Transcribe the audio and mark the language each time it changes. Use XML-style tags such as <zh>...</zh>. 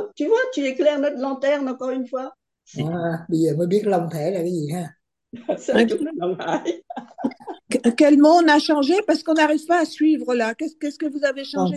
<fr>Tu vois, tu éclaires notre lanterne encore une fois.</fr> <vi>À, bây giờ mới biết long thể là cái gì ha.</vi> <fr>C'est la journée de Quel mot on a changé parce qu'on n'arrive pas à suivre là. Qu'est-ce que vous avez changé</fr>